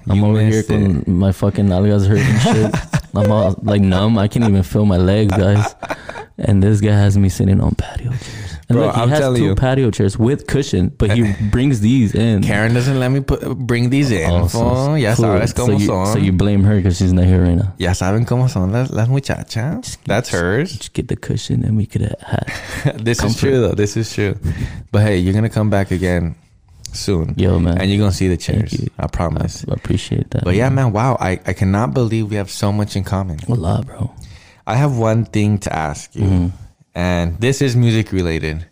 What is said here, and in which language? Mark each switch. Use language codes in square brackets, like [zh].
[en] I'm over here because my fucking nalgas hurt and shit. I'm all like numb. I can't even feel my legs, guys. And this guy has me sitting on patio chairs. And bro, look, he has two you. Patio chairs with cushion, but he brings these in. Karen doesn't let me bring these in. Oh, yes, cool. [es] Sabes cómo son. [en] So you blame her because she's not here right now. [es] Ya saben cómo son las muchachas. [en] That's hers. Just get the cushion and we could have had. This comfort. Is true, though. This is true. But hey, you're going to come back again soon. Yo, man. And you're going to see the chairs. I promise. I appreciate that. But man. Yeah, man. Wow. I cannot believe we have so much in common. A lot, bro. I have one thing to ask you. Mm-hmm. And this is music related.